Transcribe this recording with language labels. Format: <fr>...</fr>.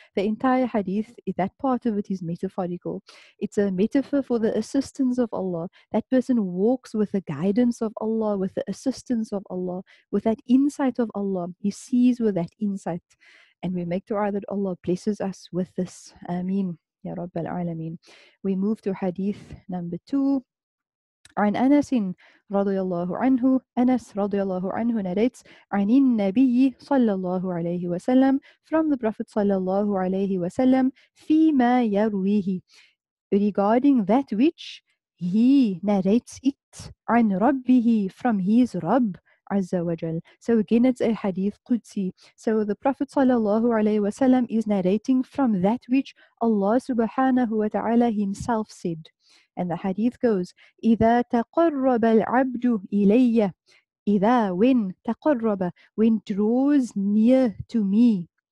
<en>The entire hadith, that part of it is metaphorical. It's a metaphor for the assistance of Allah. That person walks with the guidance of Allah, with the assistance of Allah, with that insight of Allah. He sees with that insight. And we make dua that Allah blesses us with this. Ameen. Ya Rabbal Alameen. We move to hadith number 2.</en> <ar>عن أنس رضي الله عنه أنس رضي الله عنه</ar> <en>narrates</en> <ar>عن النبي صلى الله عليه وسلم</ar> <en>from the Prophet</en> <ar>صلى الله عليه وسلم فيما يرويه</ar> <en>regarding that which he narrates it</en> <ar>عن ربه</ar> <en>from his</en> <ar>رب عز وجل.</ar> <en>So again it's a hadith Qudsi. So the Prophet صلى الله عليه وسلم is narrating from that which Allah سبحانه وتعالى himself said. And the hadith goes,</en> <ar>إِذَا تَقَرَّبَ الْعَبْدُ إِلَيَّ إِذَا</ar> <en>when</en> <ar>تَقَرَّبَ</ar> <en>when draws near to me.</en>